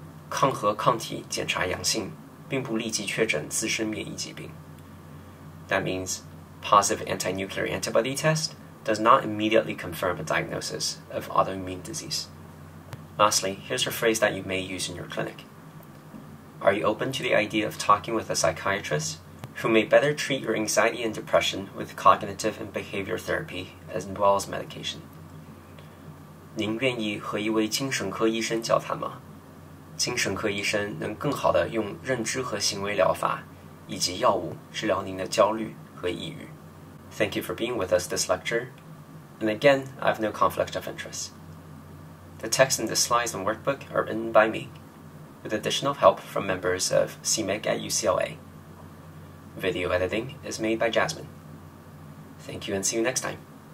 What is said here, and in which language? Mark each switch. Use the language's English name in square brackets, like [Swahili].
[Chinese] 抗核抗体检查阳性并不立即确诊自身免疫疾病。 [English] That means positive anti-nuclear antibody test does not immediately confirm a diagnosis of autoimmune disease. Lastly, here's a phrase that you may use in your clinic. Are you open to the idea of talking with a psychiatrist? Who may better treat your anxiety and depression with cognitive and behavior therapy as well as medication? [Chinese] 您愿意和一位精神科医生交谈吗？精神科医生能更好地用认知和行为疗法以及药物治疗您的焦虑和抑郁。 [English] Thank you for being with us this lecture. And again, I have no conflict of interest. The text in the slides and workbook are written by me, with additional help from members of CMEC at UCLA. Video editing is made by Jasmine. Thank you and see you next time.